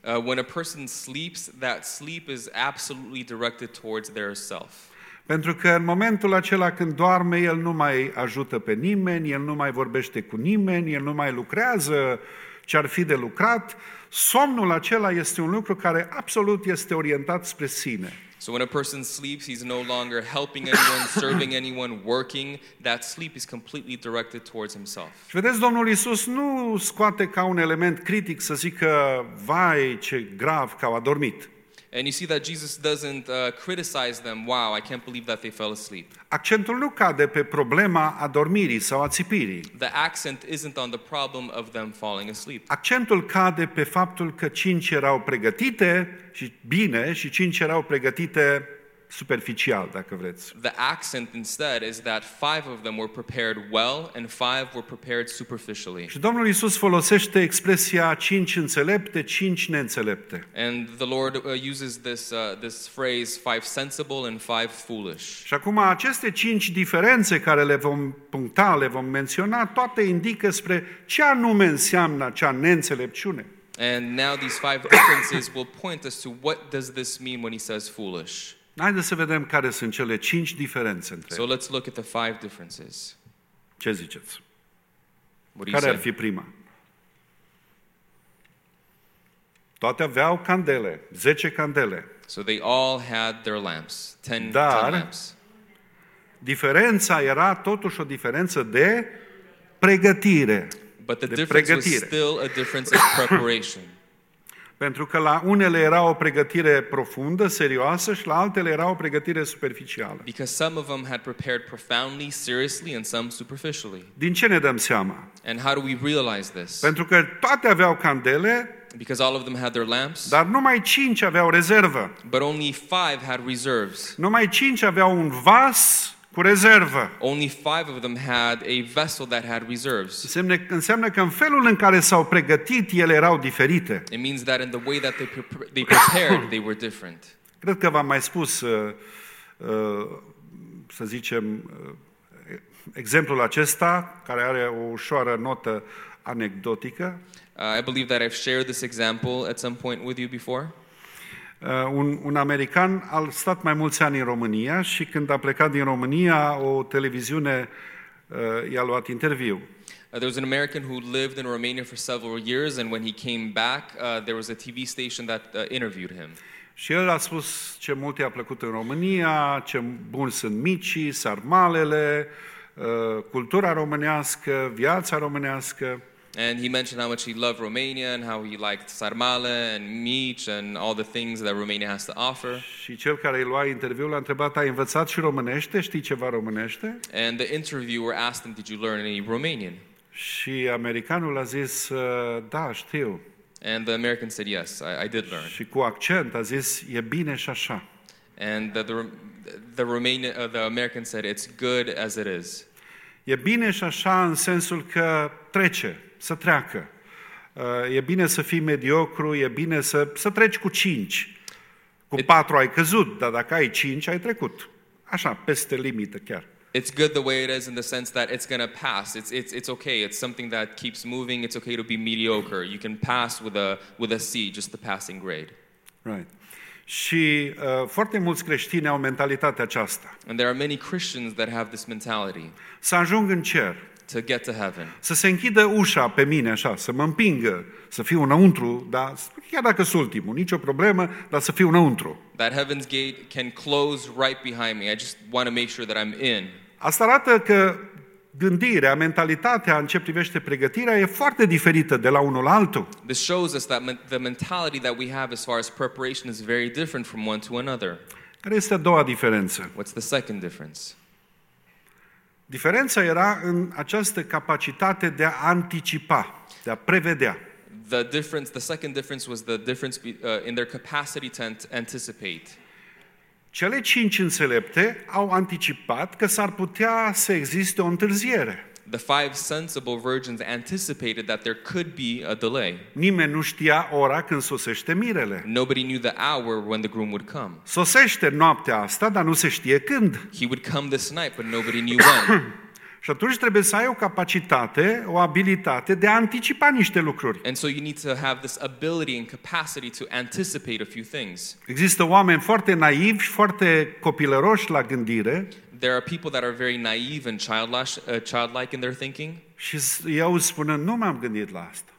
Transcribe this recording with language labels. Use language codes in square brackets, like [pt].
[en] When a person sleeps, that sleep is absolutely directed towards their self. [ro] Pentru că în momentul acela când doarme, el nu mai ajută pe nimeni, el nu mai vorbește cu nimeni, el nu mai lucrează ce ar fi de lucrat. Somnul acela este un lucru care absolut este orientat spre sine. [en] So when a person sleeps, he's no longer helping anyone, serving anyone, working. That sleep is completely directed towards himself. [ro] Și vedeți, Domnul Iisus nu scoate ca un element critic să zică, vai, ce grav că au adormit. [en] And you see that Jesus doesn't criticize them. Wow, I can't believe that they fell asleep. [ro] Accentul nu cade pe problema adormirii sau ațipirii. [en] The accent isn't on the problem of them falling asleep. [ro] Accentul cade pe faptul că cinci erau pregătite și bine și cinci erau pregătite superficial, dacă vreți. [en] The accent instead is that five of them were prepared well and five were prepared superficially. [ro] Și Domnul Iisus folosește expresia cinci înțelepte, cinci neînțelepte. [en] And the Lord uses this phrase five sensible and five foolish. [ro] Și acum aceste cinci diferențe care le vom puncta, le vom menționa, toate indică spre ce anume înseamnă acea neînțelepciune. [en] And now these five differences will point us to what does this mean when he says foolish. [ro] Haideți să vedem care sunt cele cinci diferențe între ele. [en] So let's look at the five differences. [ro] Ce ziceți? Care ar fi prima? Toate aveau candele, 10 candele. [en] So they all had their lamps, 10 lamps. [ro] Diferența era totuși o diferență de pregătire. [en] But the difference was still a difference of preparation. [ro] Pentru că la unele era o pregătire profundă, serioasă, și la altele era o pregătire superficială. [en] Because some of them had prepared profoundly, seriously, and some superficially. [ro] Din ce ne dăm seama? [en] And how do we realize this? [ro] Pentru că toate aveau candele. [en] Because all of them had their lamps. [ro] Dar numai 5 aveau rezervă. [en] But only 5 had reserves. [ro] Numai 5 aveau un vas cu rezervă. [en] Only 5 of them had a vessel that had reserves. [ro] Înseamnă că în felul în care s-au pregătit, ele erau diferite. [en] It means that in the way that they prepared, they were different. [ro] Cred că v-am mai spus, să zicem, exemplul acesta, care are o ușoară notă anecdotică. [en] I believe that I've shared this example at some point with you before. [ro] Un american a stat mai mulți ani în România și când a plecat din România, o televiziune i-a luat interviu. [en] There was an American who lived in Romania for several years and when he came back, there was a TV station that interviewed him. [ro] Și el a spus ce mult i-a plăcut în România, ce buni sunt micii, sarmalele, cultura românească, viața românească. [en] And he mentioned how much he loved Romania and how he liked sarmale and mici and all the things that Romania has to offer. [ro] Și cel care îi lua interviul l-a întrebat, ai învățat și românește? Știi ceva românește? [en] And the interviewer asked him, did you learn any Romanian? [ro] Și americanul a zis, da, știu. [en] And the American said, yes, I did learn. [ro] Și cu accent a zis, e bine și așa. [en] And the American said, it's good as it is. [ro] E bine și așa în sensul că trece. Să treacă. E bine să fii mediocru, e bine să treci cu 5. Cu 4 ai căzut, dar dacă ai 5 ai trecut. Așa, peste limită chiar. [en] It's good the way it is in the sense that it's going to pass. It's okay. It's something that keeps moving. It's okay to be mediocre. You can pass with a C, just the passing grade. Right. [ro] Și foarte mulți creștini au mentalitatea aceasta. [en] And there are many Christians that have this mentality. [ro] Să ajung în cer. [en] To get to heaven. [ro] Să se închidă ușa pe mine așa, să mă împingă, să fiu înăuntru, dar chiar dacă sunt ultimul, nicio problemă, dar să fiu înăuntru. [en] That heaven's gate can close right behind me. I just want to make sure that I'm in. [ro] Asta arată că gândirea, mentalitatea în ce privește pregătirea e foarte diferită de la unul la altul. [en] This shows us that the mentality that we have as far as preparation is very different from one to another. [ro] Care este a doua diferență? [en] What's the second difference? [ro] Diferența era în această capacitate de a anticipa, de a prevedea. [en] The second difference was the difference in their capacity to anticipate. [ro] Cele 5 înțelepte au anticipat că s-ar putea să existe o întârziere. [en] The 5 sensible virgins anticipated that there could be a delay. [ro] Nimeni nu știa ora când sosește mirele. [en] Nobody knew the hour when the groom would come. [ro] Sosește noaptea asta, dar nu se știe când. [en] He would come this night, but nobody knew when. [ro] Și atunci trebuie să ai o capacitate, o abilitate de a anticipa niște lucruri. [en] And so you need to have this ability and capacity to anticipate a few things. [ro] Există oameni foarte naivi, foarte copilăroși la gândire. [en] There are people that are very naive and childlike in their thinking. [ro] Și eu spunem, nu m-am gândit la asta.